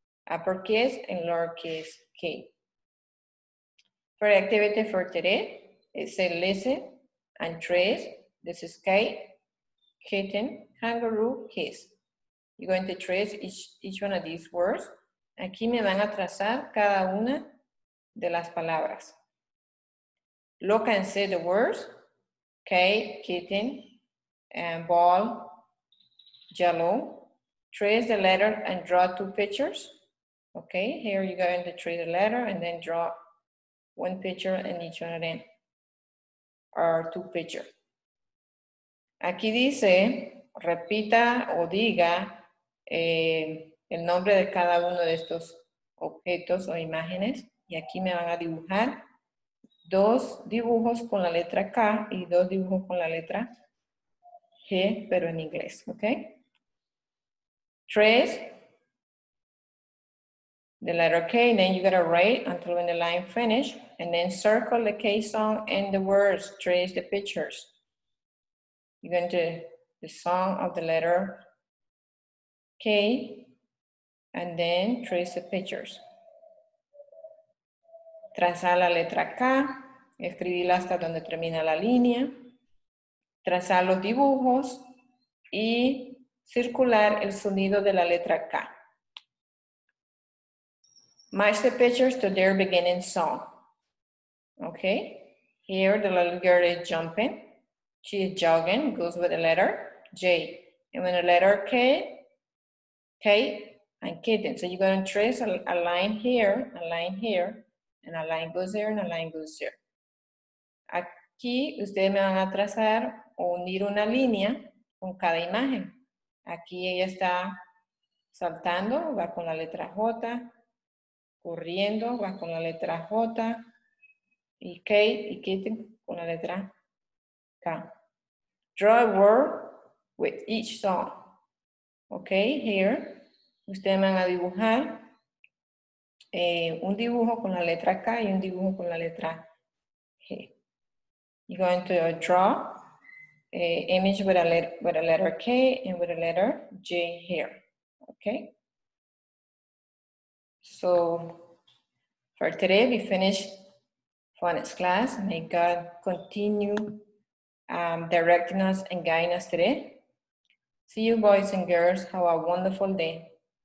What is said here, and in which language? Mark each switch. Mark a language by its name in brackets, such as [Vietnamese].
[English] Uppercase and lowercase K. For activity for today, it says listen and trace. This is kite, kitten, kangaroo, kiss. You're going to trace each one of these words. [Spanish] Aquí me van a trazar cada una de las palabras. [English] Look and say the words. Kite, kitten, and ball, yellow. Trace the letter and draw two pictures. Okay, here you're going to trace the letter and then draw one picture in each one of them, or two pictures. [Spanish] Aquí dice, repita o diga el nombre de cada uno de estos objetos o imágenes. Y aquí me van a dibujar dos dibujos con la letra K y dos dibujos con la letra G, pero en inglés, ¿ok? Tres. [English] The letter K, and then you gotta write until when the line finish, and then circle the K song and the words, trace the pictures. You're going to the song of the letter K, and then trace the pictures. [Spanish] Trazar la letra K, escribirla hasta donde termina la línea, trazar los dibujos, y circular el sonido de la letra K. [English] Match the pictures to their beginning song. Okay, here the little girl is jumping. She is jogging, goes with the letter J. And when the letter K, K and kitten. So you're gonna trace a line here, a line here, and a line goes here, and a line goes here. [Spanish] Aquí ustedes me van a trazar o unir una línea con cada imagen. Aquí ella está saltando, va con la letra J. Corriendo, va con la letra J, y K, y Kitten con la letra K. [English] Draw a word with each song. Okay, here, [Spanish] ustedes van a dibujar un dibujo con la letra K y un dibujo con la letra G. [English] You're going to draw an image with a letter K and with a letter J here. Okay? So, for today, we finish phonics class. May God continue directing us and guiding us today. See you, boys and girls. Have a wonderful day.